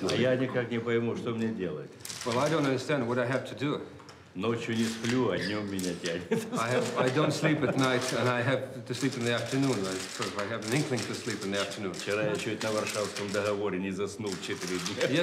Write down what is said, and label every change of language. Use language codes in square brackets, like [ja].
[ru] А я никак не пойму, что мне делать. [en] Well, I don't understand what I have to do. [ru] Ночью не сплю, а днем меня тянет. [en] I don't sleep at night, and I have to sleep in the afternoon. I have an inkling to sleep in the afternoon. [ru] Вчера я чуть на Варшавском договоре не заснул 4 дня.